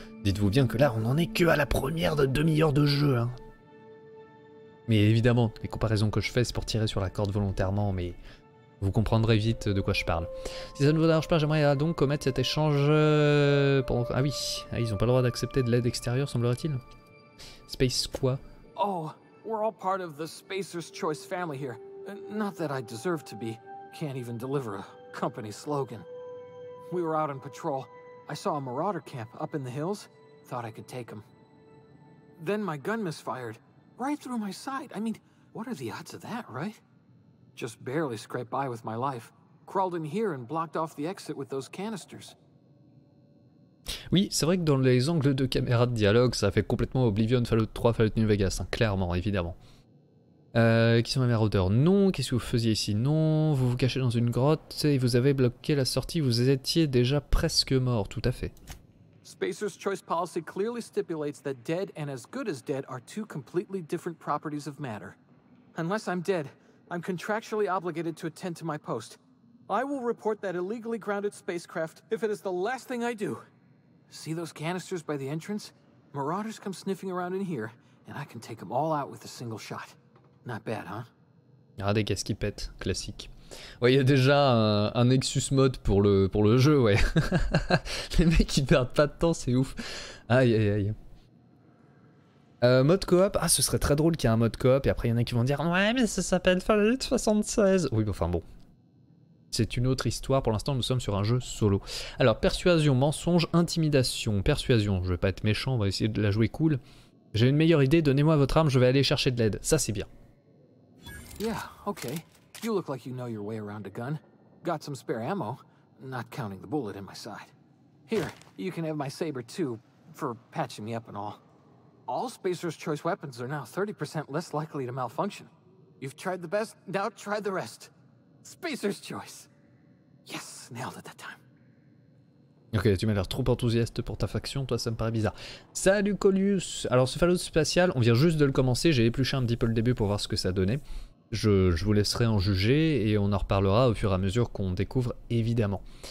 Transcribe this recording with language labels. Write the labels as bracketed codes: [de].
[fr] Dites-vous bien que là, on n'en est que à la première de demi-heure de jeu. Hein. Mais évidemment, les comparaisons que je fais, c'est pour tirer sur la corde volontairement, mais vous comprendrez vite de quoi je parle. Si ça ne vous dérange pas, j'aimerais donc commettre cet échange pendant... Ah oui, ah, ils n'ont pas le droit d'accepter de l'aide extérieure, semblerait-il. Space quoi? [en] Oh, we're all part of the Spacer's Choice family here. Not that I deserve to be. Can't even deliver a company slogan. We were out on patrol. I saw a marauder camp up in the hills. Thought I could take him. Then my gun misfired, right through my side. I mean, what are the odds of that, right? Just barely scraped by with my life. Crawled in here and blocked off the exit with those canisters. [fr] Oui, c'est vrai que dans les angles de caméra de dialogue, ça fait complètement Oblivion, Fallout 3, Fallout New Vegas, hein, clairement, évidemment. Qui sont les marauders? Non. Qu'est-ce que vous faisiez ici? Non. Vous vous cachez dans une grotte et vous avez bloqué la sortie. Vous étiez déjà presque mort, tout à fait. [en] Spacer's Choice Policy clearly stipulates that dead and as good as dead are two completely different properties of matter. Unless I'm dead, I'm contractually obligated to attend to my post. I will report that illegally grounded spacecraft if it is the last thing I do. See those canisters by the entrance? Marauders come sniffing around in here, and I can take them all out with a single shot. Not bad, huh? [fr] Ah, des caisses qui pètent, classique. Ouais, y a déjà un Nexus mode pour le jeu, ouais. Les mecs qui perdent pas de temps, c'est ouf. Aïe, aïe, aïe. Mode coop, ah, ce serait très drôle qu'il y ait un mode coop, et après, il y en a qui vont dire, ouais, mais ça s'appelle Fallout 76. Oui, enfin bon. C'est une autre histoire, pour l'instant nous sommes sur un jeu solo. Alors persuasion, mensonge, intimidation, persuasion, je vais pas être méchant, on va essayer de la jouer cool. J'ai une meilleure idée, donnez-moi votre arme, je vais aller chercher de l'aide, ça c'est bien. [en] Yeah, okay. You look like you know your way around a gun. Got some spare ammo, not counting the bullet in my side. Here, you can have my saber too, for patching me up and all. All Spacer's Choice weapons are now 30% less likely to malfunction. You've tried the best, now try the rest. Spacer's Choice. Yes, nailed it that time. [fr] Ok, tu m'as l'air trop enthousiaste pour ta faction, toi ça me paraît bizarre. Salut Colius. Alors ce Fallout spatial, on vient juste de le commencer, j'ai épluché un petit peu le début pour voir ce que ça donnait. Je vous laisserai en juger et on en reparlera au fur et à mesure qu'on découvre, évidemment.